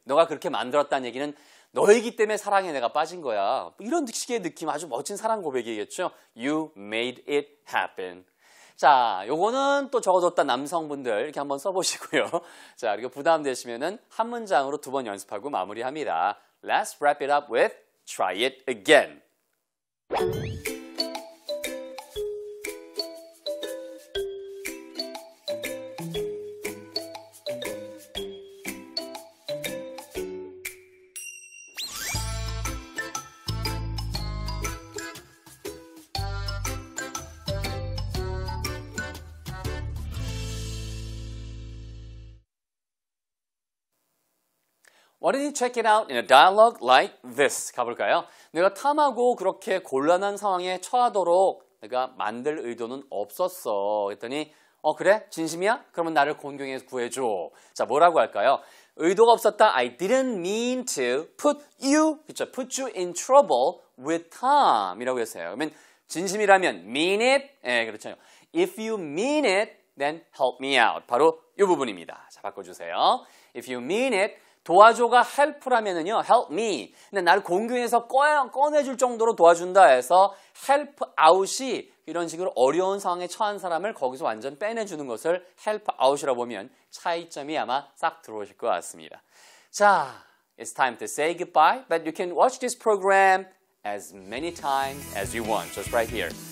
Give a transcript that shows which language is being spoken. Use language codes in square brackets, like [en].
[ko] 너가 그렇게 만들었다는 얘기는 너이기 때문에 사랑에 내가 빠진 거야. 뭐 이런 식의 느낌, 아주 멋진 사랑 고백이겠죠? [en] You made it happen. [ko] 자, 요거는 또 적어뒀다 남성분들 이렇게 한번 써보시고요. 자, 그리고 부담되시면은 한 문장으로 두 번 연습하고 마무리합니다. [en] Let's wrap it up with try it again. Why don't you check it out in a dialogue like this? [ko] 가볼까요? 내가 탐하고 그렇게 곤란한 상황에 처하도록 내가 만들 의도는 없었어. 했더니 어 그래? 진심이야? 그러면 나를 공경해서 구해줘. 자 뭐라고 할까요? 의도가 없었다. [en] I didn't mean to put you, [ko] 그쵸? [en] put you in trouble with Tom [ko] 이라고 했어요. 그러면 진심이라면 [en] mean it? [ko] 예, 네, 그렇죠. [en] If you mean it, then help me out. [ko] 바로 이 부분입니다. 자 바꿔주세요. [en] If you mean it, [ko] 도와줘가 help라면은요, [en] help me. [ko] 근데 나를 공경에서 꺼내줄 정도로 도와준다 해서 help out이 이런 식으로 어려운 상황에 처한 사람을 거기서 완전 빼내주는 것을 help out이라고 보면 차이점이 아마 싹 들어오실 것 같습니다. [en] 자, it's time to say goodbye, but you can watch this program as many times as you want, just right here.